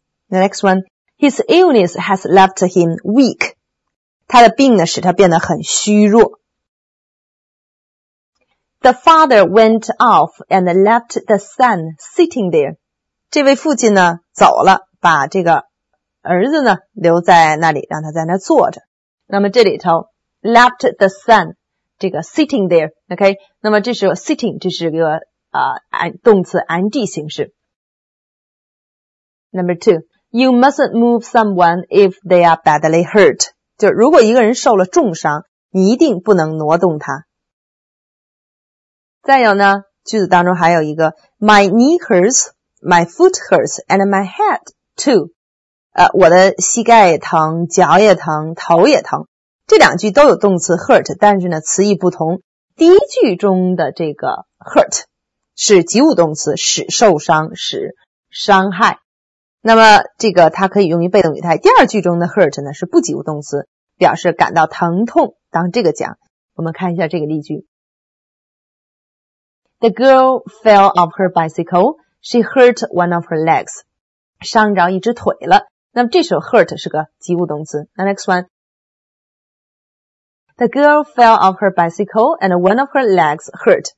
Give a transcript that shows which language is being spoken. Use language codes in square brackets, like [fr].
[en] The next one, his illness has left him weak. [zh] 他的病呢使他变得很虚弱。 [en] The father went off and left the son sitting there. [zh] 这位父亲呢走了，把这个儿子呢留在那里，让他在那坐着。那么这里头 [en] left the son [zh] 这个 [en] sitting there, [zh] OK? 那么这是 sitting, 这是一个动词 ing 形式。 [en] Number two, you mustn't move someone if they are badly hurt. [zh] 就如果一个人受了重伤，你一定不能挪动他。再有呢，句子当中还有一个 [en] My knee hurts, my foot hurts, and my head too. [zh] 我的膝盖疼，脚也疼，头也疼。这两句都有动词 hurt, 但是呢词义不同。第一句中的这个 hurt 是及物动词，使受伤，使伤害。那么这个它可以用于被动语态。第二句中的 hurt 呢是不及物动词，表示感到疼痛，当这个讲。我们看一下这个例句。 [en] The girl fell off her bicycle. She hurt one of her legs. [zh] 伤着一只腿了。那么这时候 hurt 是个及物动词。 [en] Now next one. The girl fell off her bicycle and one of her legs hurt.